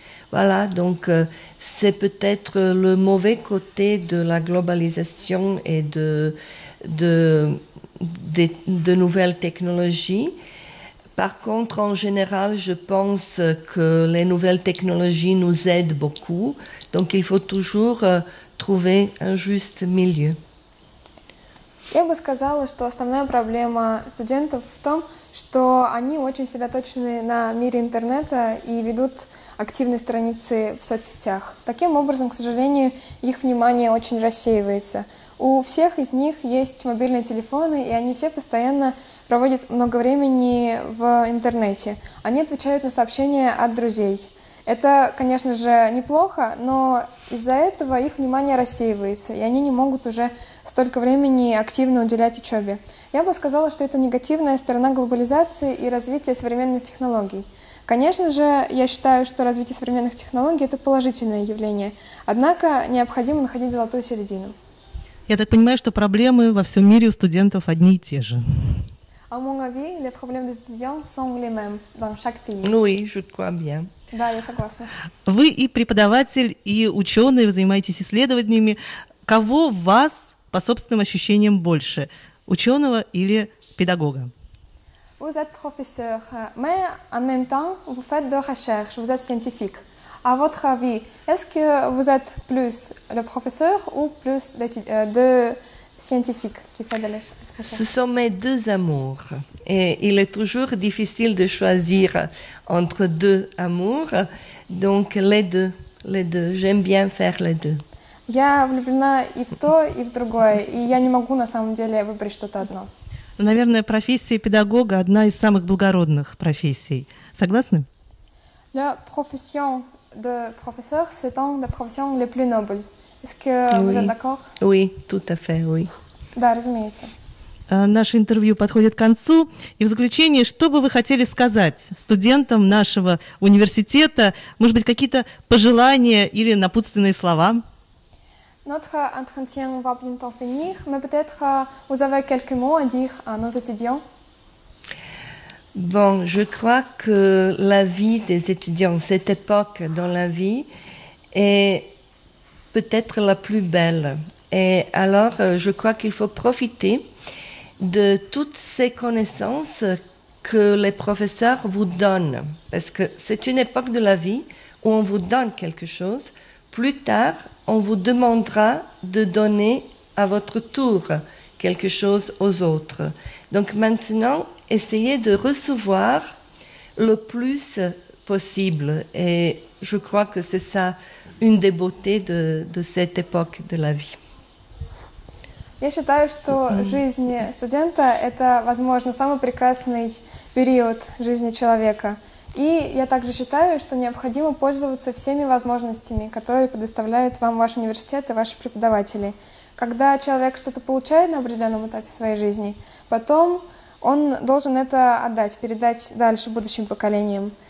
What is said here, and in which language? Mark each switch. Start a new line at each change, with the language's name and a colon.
French: Voilà, donc c'est peut-être le mauvais côté de la globalisation et de nouvelles technologies. Par contre, en général, je pense que les nouvelles technologies nous aident beaucoup. Donc, il faut toujours trouver un juste milieu.
Russian: Я бы сказала, что основная проблема студентов в том, что они очень сосредоточены на мире интернета и ведут активные страницы в соцсетях. Таким образом, к сожалению, их внимание очень рассеивается. У всех из них есть мобильные телефоны, и они все постоянно проводят много времени в интернете. Они отвечают на сообщения от друзей. Это, конечно же, неплохо, но из-за этого их внимание рассеивается, и они не могут уже столько времени активно уделять учебе. Я бы сказала, что это негативная сторона глобализации и развития современных технологий. Конечно же, я считаю, что развитие современных технологий – это положительное явление. Однако необходимо находить золотую середину. Я так понимаю, что проблемы во всем мире у студентов одни и те же.
French: À mon avis, les problèmes des étudiants sont les mêmes dans chaque pays. Oui, je crois bien.
Russian: Да, я согласна. Вы и преподаватель, и ученый, вы занимаетесь исследованиями. Кого вас, по собственным ощущениям, больше, ученого или педагога?
French: Vous êtes professeur, mais en même temps, vous faites de recherche, vous êtes scientifique. À votre avis, est-ce que vous êtes plus le professeur ou plus de scientifique qui fait de la recherche? Ce sont mes deux amours et il est toujours difficile de choisir entre deux amours, donc les deux, j'aime bien faire les deux.
Russian: Я влюблена и в то, и в другое, и я не могу на самом деле выбрать что-то одно. Наверное, профессия педагога одна из самых благородных профессий. Согласны?
French: La profession de professeur, c'est une des professions les plus nobles. Est-ce que vous êtes d'accord? Oui, tout à fait, oui.
Russian: Да, разумеется. Наше интервью подходит к концу. И в заключение, что бы вы хотели сказать студентам нашего университета? Может быть, какие-то пожелания или напутственные слова?
French: Notre entretien va bientôt finir, mais peut-être vous avez quelques mots à dire à nos étudiants? Bon, je crois que la vie des étudiants, cette époque dans la vie, est peut-être la plus belle. Et alors, je crois qu'il faut profiter de toutes ces connaissances que les professeurs vous donnent. Parce que c'est une époque de la vie où on vous donne quelque chose. Plus tard, on vous demandera de donner à votre tour quelque chose aux autres. Donc maintenant, essayez de recevoir le plus possible. Et je crois que c'est ça, une des beautés de cette époque de la vie.
Russian: Я считаю, что жизнь студента – это, возможно, самый прекрасный период жизни человека. И я также считаю, что необходимо пользоваться всеми возможностями, которые предоставляют вам ваш университет и ваши преподаватели. Когда человек что-то получает на определенном этапе своей жизни, потом он должен это отдать, передать дальше будущим поколениям.